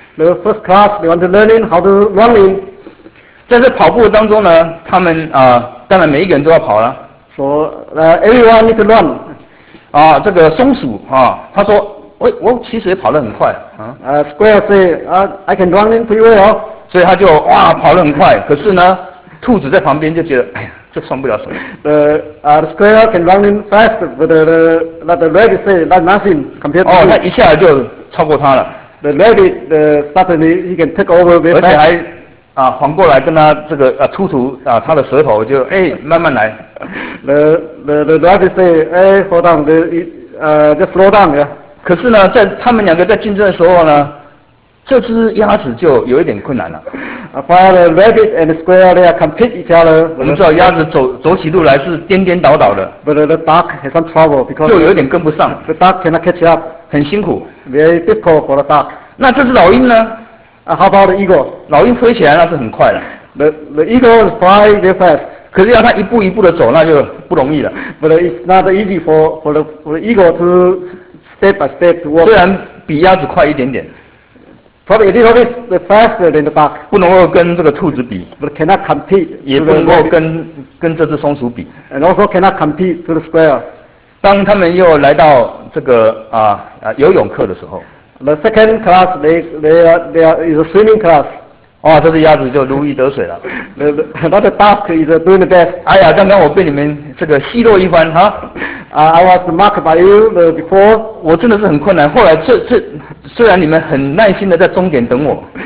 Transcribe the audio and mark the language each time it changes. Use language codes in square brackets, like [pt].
[en] The first class, they want to learn how to running. [zh] 在这跑步当中呢，他们当然每一个人都要跑了。 [en] So, everyone need to run. [zh] 这个松鼠他说我其实也跑得很快啊。 [en] Squirrel say, I can run in pretty well. [zh] 所以他就哇跑得很快，可是呢，兔子在旁边就觉得，哎呀，这算不了什么。 [en] The squirrel can run in fast, but the rabbit say that nothing compared to. [zh] 哦，那一下就超过他了。 [en] The rabbit suddenly he can take over very fast. [zh] 而且还啊，反过来跟他这个啊吐吐啊他的舌头就哎慢慢来。 [en] The rabbit say, hey, hold on, just slow down, yeah. [zh] 可是呢，在他们两个在竞争的时候呢，这只鸭子就有一点困难了。 [en] While the rabbit and the squirrel they are compete each other, [zh] 我们知道鸭子走起路来是颠颠倒倒的。 [en] But the duck has some trouble because [zh] 就有点跟不上。 [en] The duck cannot catch up. [zh] 很辛苦。 [en] Very difficult for the duck. [zh] 那这只老鹰呢？ [en] How about the eagle? [zh] 老鹰飞起来那是很快的。 [en] The eagle is fly very fast. [zh] 可是要它一步一步的走，那就不容易了。 [en] But it's not easy for the eagle to step by step to walk. [zh] 虽然比鸭子快一点点。 [en] Probably a little bit faster than the duck. [zh] 不能够跟这个兔子比。 [en] But cannot compete. [zh] 也不能够跟这只松鼠比。 [en] And also cannot compete to the squirrel. [zh] 当他们又来到这个游泳课的时候。 [en] The second class, they are is a swimming class. [zh] 哇，这只鸭子就如鱼得水了。 [en] Another duck is doing the best. [zh] 哎呀，刚刚我被你们这个奚落一番哈。 [en] I was mocked by you before. [zh] 我真的是很困难。后来这虽然你们很耐心的在终点等我。